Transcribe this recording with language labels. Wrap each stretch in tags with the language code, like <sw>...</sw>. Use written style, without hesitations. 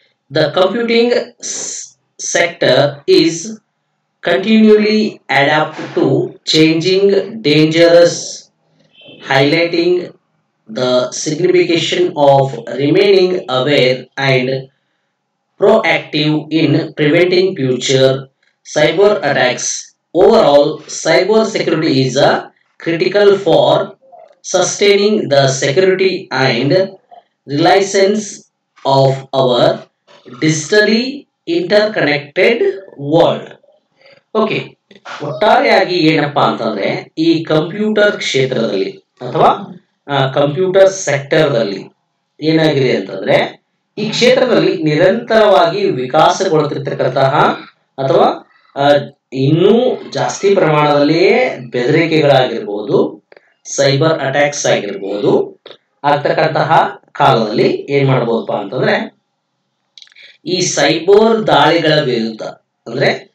<en>The computing sector is continually adapt to changing dangerous, highlighting the signification of remaining aware and proactive in preventing future cyber attacks. Overall, cyber security is a critical for sustaining the security and resilience of our digitally interconnected world.</en> <kn>Okay, ಒಟ್ಟಾರೆಯಾಗಿ ಏನಪ್ಪಾ ಅಂತಂದ್ರೆ ಈ computer ಕ್ಷೇತ್ರದಲ್ಲಿ ಅಥವಾ computer ಸೆಕ್ಟರ್ದಲ್ಲಿ ಏನಾಗಿದೆ ಅಂತಂದ್ರೆ, ಈ ಕ್ಷೇತ್ರದಲ್ಲಿ ನಿರಂತರವಾಗಿ ವಿಕಾಸಗೊಳ್ಳುತ್ತಿರ್ತಕ್ಕಂತಹ ಅಥವಾ ಇನ್ನೂ ಜಾಸ್ತಿ ಪ್ರಮಾಣದಲ್ಲಿಯೇ ಬೆದರಿಕೆಗಳಾಗಿರ್ಬೋದು, ಸೈಬರ್ ಅಟ್ಯಾಕ್ಸ್ ಆಗಿರ್ಬೋದು ಆಗ್ತಕ್ಕಂತಹ ಕಾಲದಲ್ಲಿ ಏನ್ ಮಾಡ್ಬೋದಪ್ಪ ಅಂತಂದ್ರೆ, ಈ ಸೈಬರ್ ದಾಳಿಗಳ ವಿರುದ್ಧ ಅಂದ್ರೆ</kn>